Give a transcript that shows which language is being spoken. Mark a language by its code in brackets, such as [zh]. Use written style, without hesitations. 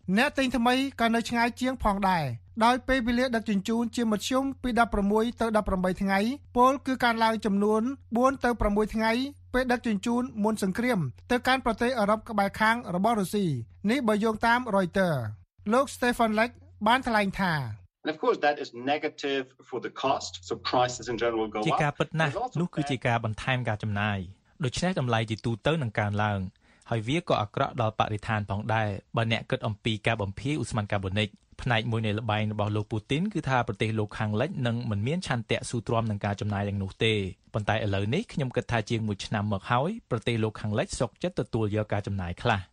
[km] អ្នកទិញថ្មីក៏នៅឆ្ងាយជាងផងដែរដោយពេលវេលាដឹកជញ្ជូនជាមធ្យមពី16ទៅ18ថ្ងៃពលគឺការឡើងចំនួន4ទៅ6ថ្ងៃពេលដឹកជញ្ជូនមុនសង្គ្រាមទៅកាន់ប្រទេសអឺរ៉ុបក្បែរខាងរបស់រុស្ស៊ីនេះបើយោងតាម Reuters លោក Stefan Lech បានថ្លែងថា [en] Of course that is negative for the cost so prices in general go up [km] ជាការពិតណាស់នោះគឺជាការបន្ថែមការចំណាយដូច្នេះតម្លៃជាទូទៅនឹងកើនឡើងហើយវាក៏អាក្រក់ដល់បរិស្ថានផងដែរបើអ្នកគិតអំពីការបំភាយឧស្ម័នកាបូនិកផ្នែកមួយនៃល្បែងរបស់លោកពូទីនគឺថាប្រទេសលោកខាងលិចនឹងមិនមានឆន្ទៈស៊ូទ្រាំនឹងការចំណាយទាំងនោះទេប៉ុន្តែឥឡូវនេះខ្ញុំគិតថាជាងមួយឆ្នាំមកហើយប្រទេសលោកខាងលិចសុខចិត្តទទួលយកការចំណាយខ្លះ